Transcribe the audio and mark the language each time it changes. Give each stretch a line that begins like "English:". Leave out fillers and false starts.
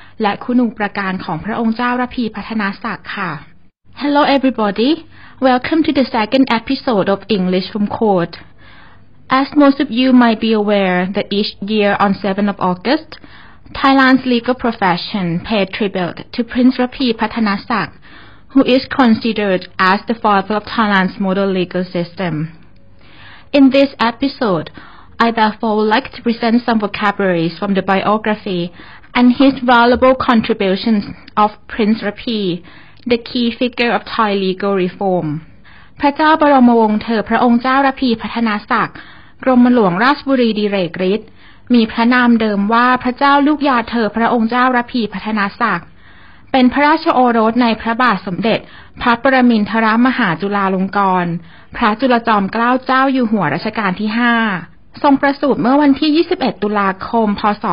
Thai: และคุณูปการของพระองค์เจ้าระพีพัฒนศักดิ์ค่ะ
English: Hello everybody welcome to the second episode of English from CodeAs most of you might be aware that each year on 7th of August, Thailand's legal profession paid tribute to Prince Raphi Pattanasak, who is considered as the father of Thailand's modern legal system. In this episode, I therefore would like to present some vocabularies from the biography and his valuable contributions of Prince Raphi, the key figure of Thai legal reform.
Thai: พระเจ้าบรมวงศ์เธอพระองค์เจ้าราภีพัฒนศักดิ์กรมหลวงราชบุรีดิเรกฤทธิ์มีพระนามเดิมว่าพระเจ้าลูกยาเธอพระองค์เจ้ารภีพัฒนศักดิ์เป็นพระราชโอรสในพระบาทสมเด็จพระปรมินทรมหาจุฬาลงกรณ์พระจุลจอมเกล้าเจ้าอยู่หัวรัชกาลที่5ทรงประสูติเมื่อวันที่21ตุลาคมพ.ศ.